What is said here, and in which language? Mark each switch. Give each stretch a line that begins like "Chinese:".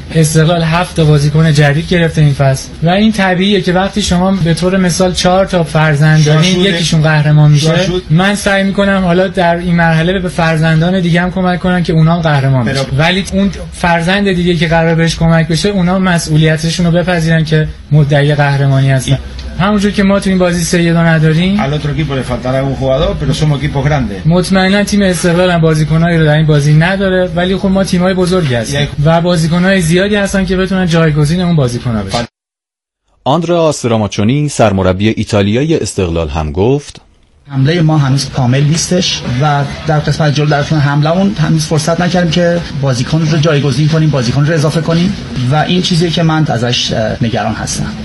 Persian: استقلال 7 تا بازیکن جدید گرفته این فصل و این طبیعیه که وقتی شما به طور مثال 4 تا فرزند دارین یکیشون قهرمان میشه. من سعی میکنم حالا در این مرحله به فرزندان دیگه هم کمک کنم که اونام قهرمان بشن. ولی اون فرزند دیگه که قرار بهش کمک بشه اونا مسئولیتشون رو بپذیرن که مدعی قهرمانی هستن. همونجور که ما تو این بازی سیدو نداریم.
Spanish: Al otro equipo le faltará un jugador, pero somos equipos grandes.
Persian: مطمئنا تیم استقلال هم بازیکنایی رو در این بازی نداره، ولی خب ما تیمای بزرگی هستیم و بازیکنای زیادی هستن که بتونن جایگزین اون بازیکن ها بشن. آندرا آسراماچونی سرمربی ایتالیای استقلال هم گفت: حمله ما هنوز کامل نیستش و در قسمت جلو در حملمون هنوز فرصت نکردیم که بازیکن رو جایگزین کنیم، بازیکن رو اضافه کنیم و این چیزیه که من ازش نگران هستم.